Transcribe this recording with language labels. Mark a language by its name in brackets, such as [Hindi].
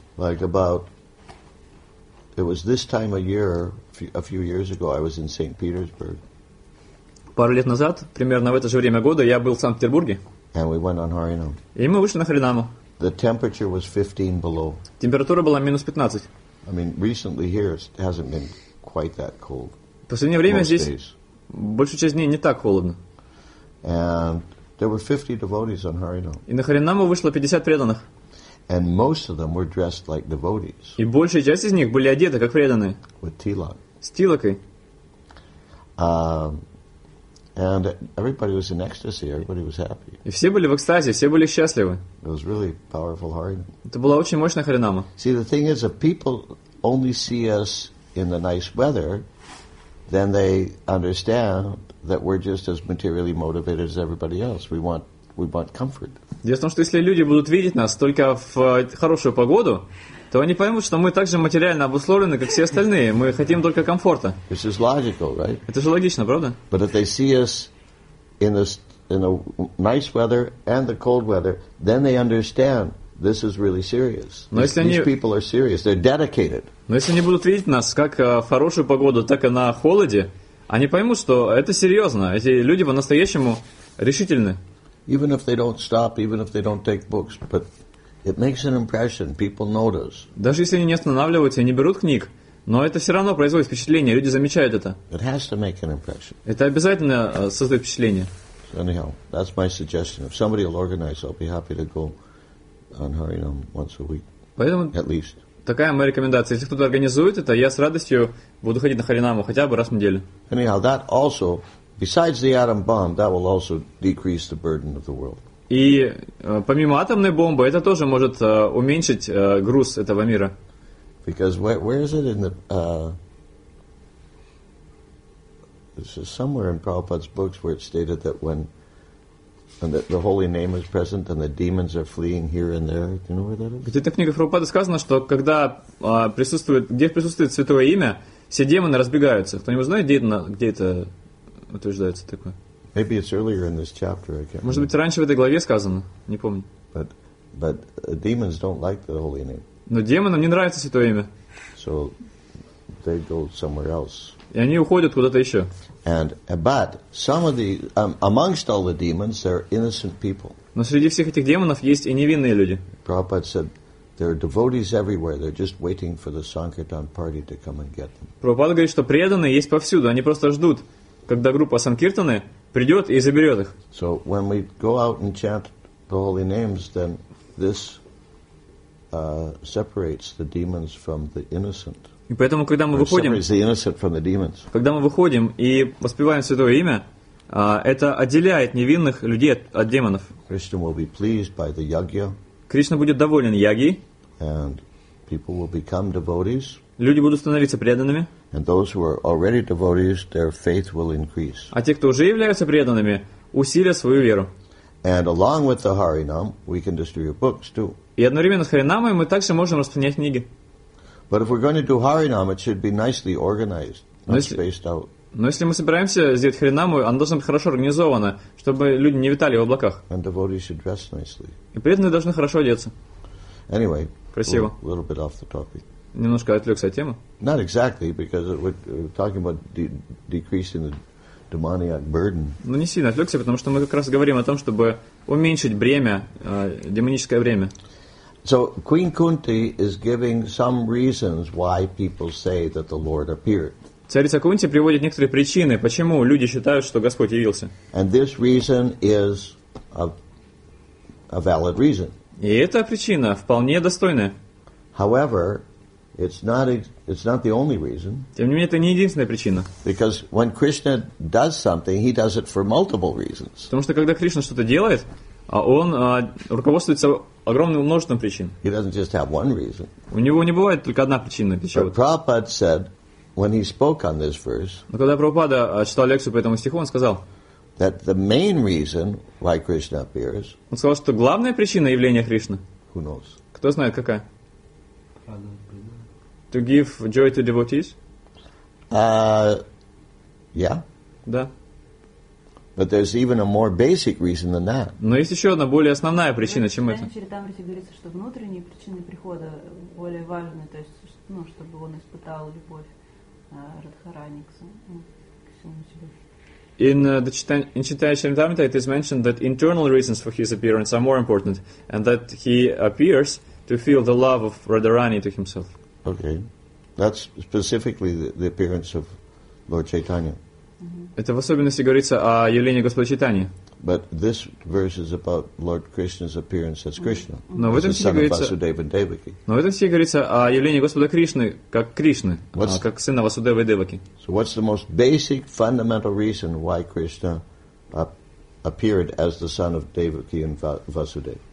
[English] Like about, it was this time of year, a few years ago, I was in St. Petersburg. [Russian] Пару лет назад, примерно в это же время года, я был в Санкт-Петербурге. [English] And we went on Harinam. [Russian] И мы вышли на харинаму. [English] The temperature was 15 below. [Russian] Температура была минус 15. [English] I mean, recently here it hasn't been quite that cold. [Russian] В последнее время здесь большую часть дней не так холодно. [English] And there were 50 devotees on Harinam. [Russian] И на харинаму вышло 50 преданных. [English] And most of them were dressed like devotees. [Russian] И большая часть из них были одеты как преданные. [English] With tilak. [Russian] С тилакой. [English] And everybody was in ecstasy. Everybody was happy. [Russian] И все были в экстазе, все были счастливы. [English] It was really powerful Harinam. [Russian] Это была очень мощная харинама. [English] See, the thing is, if people only see us in the nice weather, then they understand that we're just as materially motivated as everybody else. We want comfort. [Russian] Дело в том, что если люди будут видеть нас только в хорошую погоду, то они поймут, что мы также материально обусловлены, как все остальные. Мы хотим только комфорта. [English] This is logical, right? [Russian] Это же логично, правда? [English] But if they see us in the nice weather and the cold weather, then they understand this is really serious. These people are serious. They're dedicated. [Russian] Но если они будут видеть нас как в хорошую погоду, так и на холоде, они поймут, что это серьезно. Эти люди по-настоящему решительны. [English] Even if they don't stop, even if they don't take books, but it makes an impression. People notice. [Russian] Даже если они не останавливаются и не берут книг, но это все равно производит впечатление. Люди замечают это. [English] It has to make an impression. [Russian] Это обязательно создает впечатление. [English] So anyhow, that's my suggestion. If somebody will organize, I'll be happy to go on Harinam once a week. [Russian] Поэтому... [English] At least. [Russian] Такая моя рекомендация. Если кто-то организует это, я с радостью буду ходить на харинаму хотя бы раз в неделю. [English] Anyhow, that also, besides the atom bomb, that will also decrease the burden of the world. [Russian] И помимо атомной бомбы, это тоже может уменьшить груз этого мира. [English] Because where is it in the... This is somewhere in Prabhupada's books where it's stated that when that the holy name is present and the demons are fleeing here and there. Do you know where that is? [Russian] Где-то в книгах Прабхупады сказано, что когда присутствует, где присутствует святое имя, все демоны разбегаются. Кто-нибудь знает, где это утверждается такое? [English] Maybe it's earlier in this chapter. I can't remember. [Russian] Может быть, раньше в этой главе сказано. Не помню. [English] But demons don't like the holy name. [Russian] Но демонам не нравится святое имя. [English] So they go somewhere else. [Russian] И они уходят куда-то еще. [English] And but some of the amongst all the demons there are innocent people. [Russian] Но среди всех этих демонов есть и невинные люди. [English] Prabhupada said there are devotees everywhere. They're just waiting for the Sankirtan party to come and get them. [Russian] Прабхупада говорит, что преданные есть повсюду. Они просто ждут, когда группа Санкиртаны придет и заберет их. [English] So when we go out and chant the holy names, then this separates the demons from the innocent. [Russian] И поэтому, когда мы выходим, и воспеваем святое имя, это отделяет невинных людей от демонов. [English] Krishna will be pleased by the yagya. [Russian] Кришна будет доволен яги. [English] And people will become devotees. [Russian] Люди будут становиться преданными. [English] And those who are already devotees, their faith will increase. [Russian] А те, кто уже являются преданными, усилят свою веру. [English] And along with the Harinam, we can distribute books too. [Russian] И одновременно с Харинамой мы также можем распространять книги. [English] But if we're going to do Harinam, it should be nicely organized, not spaced out. [Russian] Но если мы собираемся сделать Харинаму, она должна быть хорошо организована, чтобы люди не витали в облаках. [English] And devotees should dress nicely. [Russian] И преданные должны хорошо одеться. [English] Anyway, [Russian] красиво. [English] A little bit off the topic. [Russian] Немножко отвлекся от темы. [English] Not exactly, because we're talking about decreasing the demoniac burden. [Russian] Ну не сильно отвлекся, потому что мы как раз говорим о том, чтобы уменьшить бремя, демоническое бремя. [English] So Queen Kunti is giving some reasons why people say that the Lord appeared. [Russian] Царица Кунти приводит некоторые причины, почему люди считают, что Господь явился. [English] And this reason is a valid reason. [Russian] И эта причина вполне достойная. [English] However, it's not the only reason. [Russian] Тем не менее, это не единственная причина. [English] Because when Krishna does something, he does it for multiple reasons. [Russian] Потому что когда Кришна что-то делает, он руководствуется огромным множеством причин. [English] He doesn't just have one reason. [Russian] У него не бывает только одна причина для чего-то. [English] But Prabhupada said, when he spoke on this verse, [Russian] но когда Прабхупада читал лекцию по этому стиху, он сказал, [English] that the main reason why Krishna appears, [Russian] он сказал, что главная причина явления Кришны, [English] who knows? [Russian] Кто знает, какая? [English] To give joy to devotees? Yeah. [Russian] Да. [English] But there's even a more basic reason than that. [Russian] Но есть еще одна более основная причина, чем это. Там говорится, что внутренние причины прихода более важны, то есть, ну, чтобы он испытал любовь Радхарани к всему себе. [English] In Chaitanya Charitamrita, it is mentioned that internal reasons for his appearance are more important, and that he appears to feel the love of Radharani to himself. Okay, that's specifically the appearance of Lord Chaitanya. [Russian] Это в особенности говорится о явлении Господа Чайтаньи. [English] But this verse is about Lord Krishna's appearance as Krishna. [Russian] Но в этом стихе говорится. [English] Vasudeva and Devaki. [Russian] Но в этом стихе говорится о явлении Господа Кришны как Кришны, как сына Васудевы и Деваки. [English] So what's the most basic, fundamental reason why Krishna appeared as the son of Devaki and Vasudev?